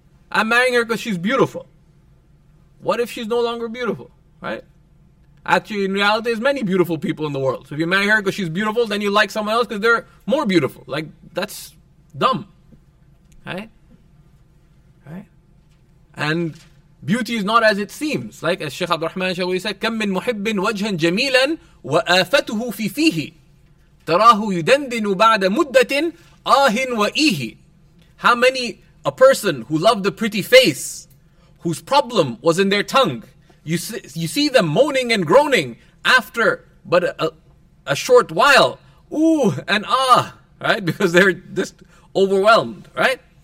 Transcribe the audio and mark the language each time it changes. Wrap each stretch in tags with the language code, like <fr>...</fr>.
<en>I'm marrying her because she's beautiful. What if she's no longer beautiful, right? Actually, in reality, there's many beautiful people in the world. So if you marry her because she's beautiful, then you like someone else because they're more beautiful. Like, that's dumb, right? And beauty is not as it seems. Like as Shaykh Abdul Rahman Shawi said,</en> <ar>كَمْ مِنْ مُحِبٍّ وَجْهًا جَمِيلًا وَآفَتُهُ فِي فِيهِ تَرَاهُ يُدَنْدِنُ بَعْدَ مُدَّةٍ آهٍ وَإِيهِ.</ar> <en>How many a person who loved a pretty face, whose problem was in their tongue, you see them moaning and groaning after but a short while. Ooh and ah, right? Because they're just overwhelmed, right?</en>